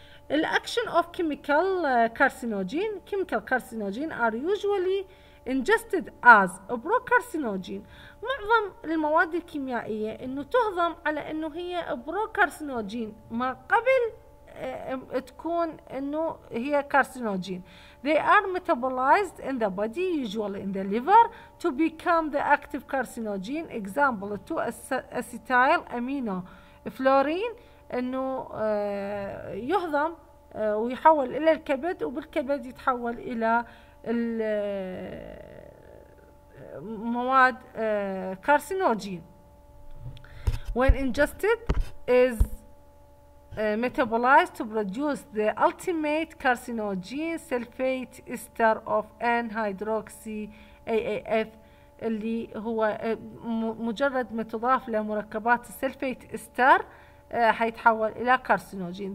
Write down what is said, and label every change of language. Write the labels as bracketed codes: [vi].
[en] الاكشن of chemical carcinogen, chemical carcinogen are usually ingested as procarcinogen. [ar] معظم المواد الكيميائية انه تهضم على انه هي برو كارسينوجين ما قبل تكون انه هي كارسينوجين. [en] They are metabolized in the body, usually in the liver, to become the active carcinogen. Example, 2-acetyl amino fluorine. [ar] إنه يهضم ويحول إلى الكبد، وبالكبد يتحول إلى المواد carcinogen. [en] When ingested, is metabolized to produce the ultimate carcinogen sulfate ester of N-hydroxy AAF [ar] اللي هو مجرد ما تضاف لمركبات السلفيت [en] ester [ar] حيتحول إلى [en] carcinogen.